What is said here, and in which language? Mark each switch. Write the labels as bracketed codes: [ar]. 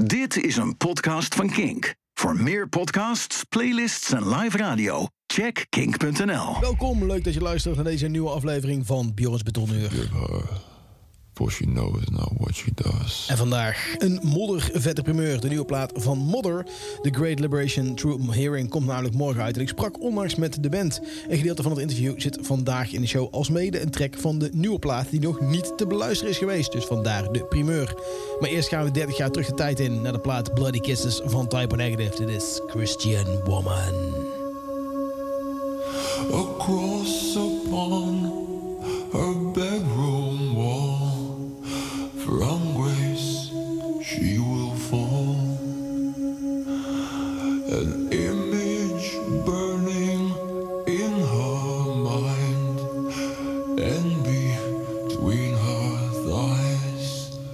[nl] Dit is een podcast van Kink. Voor meer podcasts, playlists en live radio, check kink.nl. Welkom, leuk dat je luistert naar deze nieuwe aflevering van Bjorn's Betonuur. [en] For she knows now what she does. [nl] En vandaag een modder vette primeur. De nieuwe plaat van Modder, The Great Liberation Through Hearing, komt namelijk morgen uit. En ik sprak onlangs met de band. Een gedeelte van het interview zit vandaag in de show, als mede een track van de nieuwe plaat die nog niet te beluisteren is geweest. Dus vandaar de primeur. Maar eerst gaan we 30 jaar terug de tijd in naar de plaat Bloody Kisses van Type O Negative. Dit is Christian Woman. [en] Across upon her bedroom wall, from grace she will fall, an image burning in her mind and between her thighs.